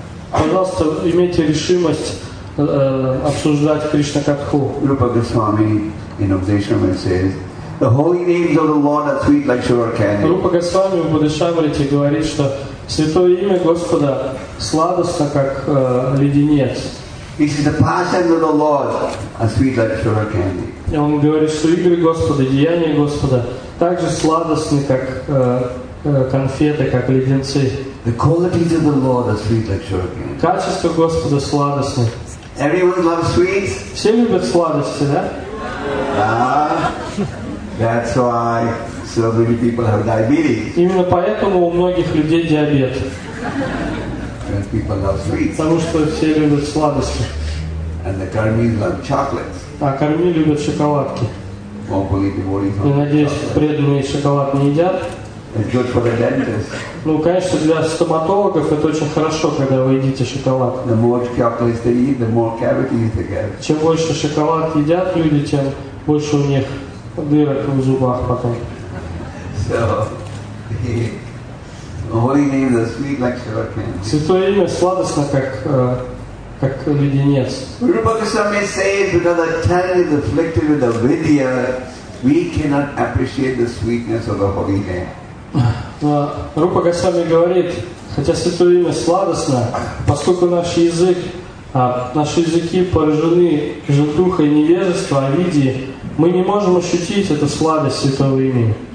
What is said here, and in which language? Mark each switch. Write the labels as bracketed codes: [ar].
[ru] Пожалуйста, имейте решимость обсуждать Кришна-катху. [en] Rupa Goswami in Upadeshama says, "The holy names of the Lord are sweet like sugar candy." [ru] Rupa Goswami в Упадешамрите говорит, что Святое имя Господа сладостно, как леденец. [en] He says the pastimes of the Lord are sweet like sugar candy. [ru] И он говорит, что игры Господа, деяния Господа, также сладостны, как конфеты, как леденцы. [en] The qualities of the Lord are sweet like sugar candy. [ru] Качество Господа сладостны. [en] Everyone loves sweets. [ru] Все любят сладости, да? [en] That's why. So many people have diabetes. [ru] Именно поэтому у многих людей диабет. [en] Because people love sweets. [ru] Потому что все любят сладости. [en] And the Karmis love chocolates. [ru] А Карми любят шоколадки. [en] Hopefully, devotees love chocolate. [ru] Я надеюсь, преданные шоколад не едят. [en] Good for the dentist. [ru] Ну, конечно, для стоматологов это очень хорошо, когда вы едите шоколад. [en] The more chocolate they eat, the more cavities they get. [ru] Чем больше шоколад едят люди, тем больше у них дырок в зубах потом. [en] So, the holy name is sweet like sugar candy. [ru] Святое имя сладостно, как леденец. [en] Rupa Goswami says, because the tongue is afflicted with avidya, we cannot appreciate the sweetness of the holy name. [ru] Но Рупа Госвами говорит, хотя святое имя сладостно, поскольку наши языки поражены желтухой невежества, авидии, мы не можем ощутить эту сладость святого имени.